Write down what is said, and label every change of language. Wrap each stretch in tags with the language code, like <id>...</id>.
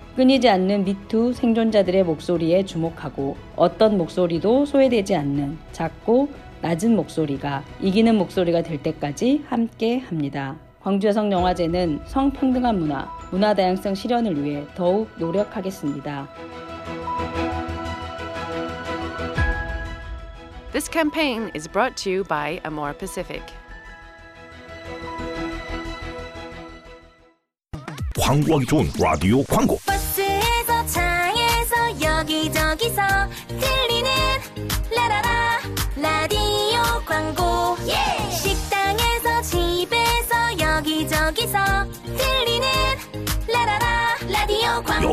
<ko>끊이지 않는 미투 생존자들의 목소리에 주목하고 어떤 목소리도 소외되지 않는 작고 낮은 목소리가 이기는 목소리가 될 때까지 함께 합니다. 광주여성영화제는 성평등한 문화, 문화다양성 실현을 위해 더욱 노력하겠습니다.</ko> <en>This campaign is brought to you by Amora Pacific.</en> <ko>광고하기 좋은 라디오 광고. 버스에서 차에서 여기저기서 들리는 라라라 라디오 광고. Yeah. 식당에서 집에서 여기저기서 들리는 라라라 라디오 광고.</ko>